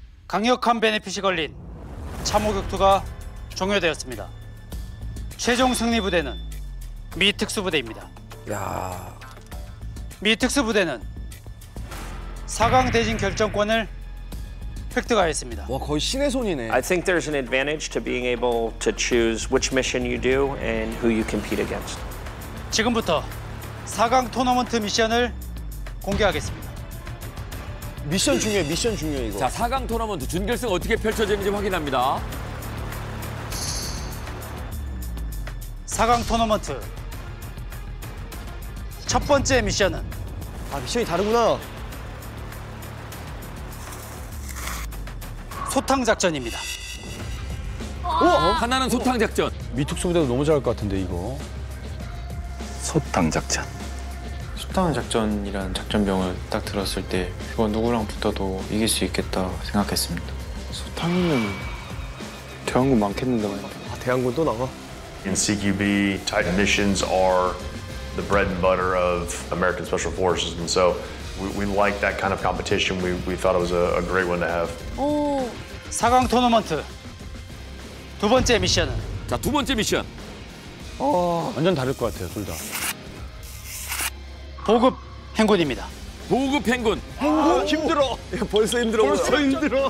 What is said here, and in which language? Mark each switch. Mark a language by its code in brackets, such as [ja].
[ko] 강력한 베네핏이 걸린 참호격투가 종료되었습니다. 최종 승리 부대는 미특수부대입니다. 야. 미특수부대는 4강 대진 결정권을 획득하였습니다. 와, 거의 신의 손이네. [en] I think there's an advantage to being able to choose which mission you do and who you compete against. [ko] 지금부터 4강 토너먼트 미션을 공개하겠습니다. 미션 중요해, 미션 중요해 이거. 자, 4강 토너먼트 준결승 어떻게 펼쳐지는지 확인합니다. 4강 토너먼트 첫 번째 미션은 아, 미션이 다르구나. 소탕 작전입니다. 하나는 소탕 작전. 미특수 부대도 너무 잘할 것 같은데 이거. 소탕 작전. 소탕 작전이라는 작전명을 딱 들었을 때 이거 누구랑 붙어도 이길 수 있겠다 생각했습니다. 소탕이면 대한군 많겠는데. 아, 대한군 또 나가. [en] In CQB, Titan missions are the bread and butter of American Special Forces, and so we like that kind of competition. We thought it was a great one to have. [ko] 4강 토너먼트 두 번째 미션은? 자, 두 번째 미션. 완전 다를 것 같아요, 둘 다. 보급 행군입니다. 보급 행군. 행군 힘들어. 벌써 힘들어. 벌써 힘들어.